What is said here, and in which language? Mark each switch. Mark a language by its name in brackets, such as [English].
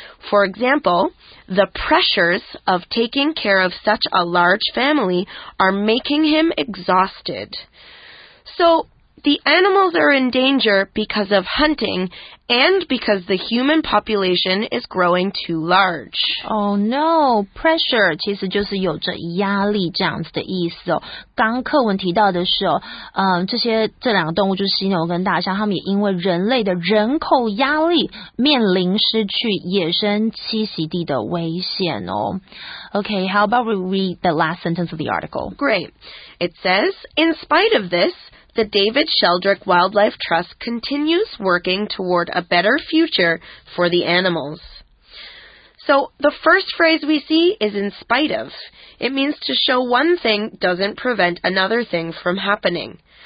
[English] For example, the pressures of taking care of such a large family are making him exhausted. So, the animals are in danger because of hunting,and because the human population is growing too large. Oh no, [Chinese] pressure 其实就是有着压力这样子的意思哦。刚课文提到的是哦，这两个动物就是犀牛跟大象，他们也因为人类的人口压力面临失去野生栖息地的危险哦。 [English] Okay, how about we read the last sentence of the article? Great. It says, in spite of this,The David Sheldrick Wildlife Trust continues working toward a better future for the animals. So, the first phrase we see is in spite of. It means to show one thing doesn't prevent another thing from happening.